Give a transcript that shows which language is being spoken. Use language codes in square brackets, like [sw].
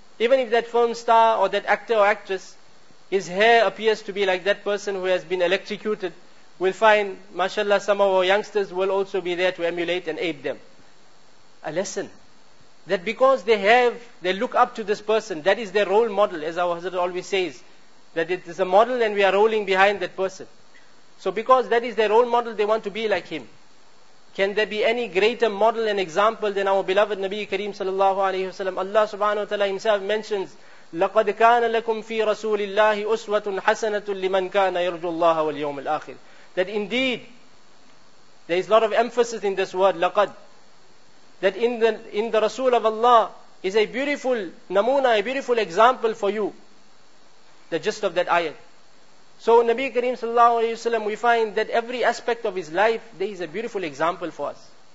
[en] Even if that film star or that actor or actress, his hair appears to be like that person who has been electrocuted, we'll find, mashallah, some of our youngsters will also be there to emulate and ape them. A lesson. that because they look up to this person, that is their role model, as our Hazrat always says, that it is a model and we are rolling behind that person. So because that is their role model, they want to be like him. Can there be any greater model and example than our beloved Nabi Kareem sallallahu alayhi wa sallam? Allah subhanahu wa ta'ala himself mentions, [ar] لَقَدْ كَانَ لَكُمْ فِي رَسُولِ اللَّهِ أُسْوَةٌ حَسَنَةٌ لِمَنْ كَانَ يَرْجُ اللَّهَ وَالْيَوْمِ الْآخِرِ. [en] That indeed, there is a lot of emphasis in this word, لَقَدْ. That in the Rasul of Allah is a beautiful namuna, a beautiful example for you. The gist of that ayat. So Nabi Kareem sallallahu alayhi wa sallam, we find that every aspect of his life, there is a beautiful example for us.